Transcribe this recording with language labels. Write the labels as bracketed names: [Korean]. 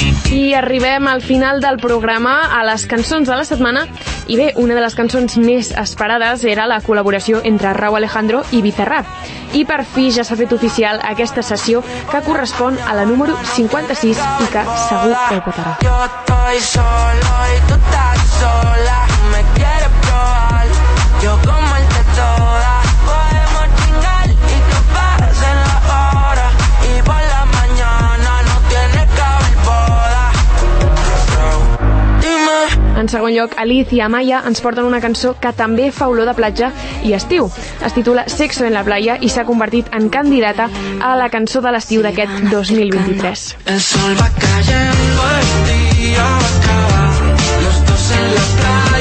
[Catalan] I arribem al final del programa, a les cançons de la setmana. I bé, una de les cançons més esperades era la col·laboració entre Rauw Alejandro i Bizarrap. I per fi ja s'ha fet oficial aquesta sessió, que correspon a la número 56 i que segur que ho petarà. [Spanish] Yo estoy solo y tú estás sola, me quieres probar, yo como el de todas. [Catalan] En segon lloc, Alice i Amaya ens porten una cançó que també fa olor de platja i estiu. Es titula Sexo en la playa i s'ha convertit en candidata a la cançó de l'estiu d'aquest 2023. [Spanish] El sol va cayendo, el día va acabar, los dos en la playa.